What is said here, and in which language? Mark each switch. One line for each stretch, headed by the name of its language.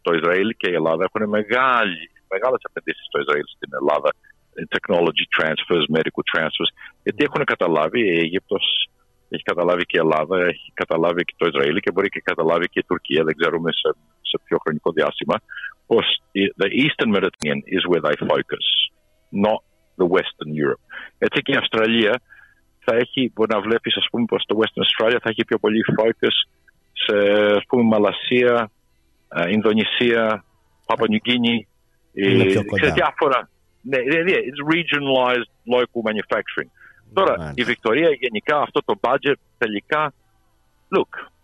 Greek: Το Ισραήλ και η Ελλάδα έχουν μεγάλες επενδύσεις στο Ισραήλ, στην Ελλάδα,
English: technology transfers, medical transfers,
Greek: γιατί έχουν καταλάβει η Αίγυπτος, έχει καταλάβει και η Ελλάδα, έχει καταλάβει και το Ισραήλ και μπορεί και καταλάβει και η Τουρκία, δεν ξέρουμε σε ποιο χρονικό διάστημα,
English: course, the Eastern Mediterranean is where they focus, not the Western Europe.
Greek: Έτσι και η Αυστραλία θα έχει, μπορεί να βλέπει, ας πούμε, προς το Western Australia, θα έχει πιο πολύ focus σε, ας πούμε, Μαλασία, Ινδονησία, Παπα Νιου Γκίνη, σε διάφορα. Ναι,
English: it's regionalized local manufacturing.
Greek: Τώρα, η Βικτωρία γενικά, αυτό το budget τελικά, look.